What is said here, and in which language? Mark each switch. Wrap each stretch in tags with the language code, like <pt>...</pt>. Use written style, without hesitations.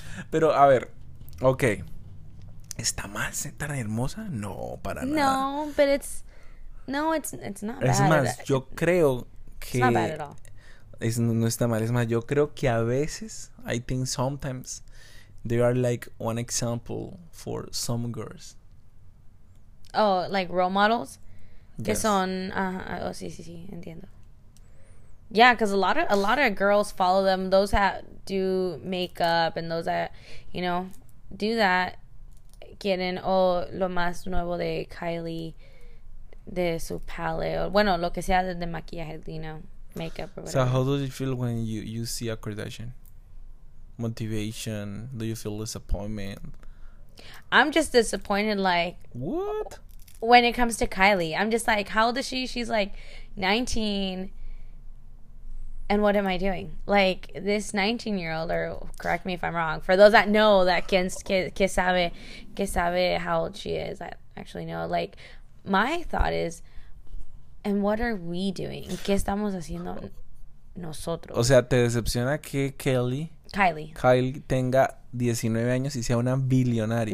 <es>Pero, a ver. Okay. ¿Está mal ser tan hermosa? No, para nada.</es> <en>No, but it's... No, it's not bad.</en> <es>Es más, yo creo que...</es> <en>It's not bad at all.</en> <es>Es, no está mal. Es más, yo creo que a veces...</es> <en>I think sometimes... They are like one example for some girls. Oh, like role models? Que yes. Son... Uh-huh. Oh,</en> <es>sí, sí, sí. Entiendo.</es> <en>Yeah, because a lot of girls follow them. Those that do makeup and those that, you know, do that...</en> <es>Quieren o lo más nuevo de Kylie, de su palette, o bueno, lo que sea de maquillaje,</es> <en>you know, makeup or whatever. So how do you feel when you see a Kardashian? Motivation? Do you feel disappointment? I'm just disappointed, like, what? When it comes to Kylie, I'm just like, how old is she? She's like 19. And what am I doing? Like, this 19-year-old, or correct me if I'm wrong, for those that know, that</en> <es>que sabe</es> <en>how old she is, I actually know. Like, my thought is, and what are we doing?</en> <es>¿Qué estamos haciendo nosotros? O sea, ¿te decepciona que Kylie tenga 19 años y sea una billonaria?</es>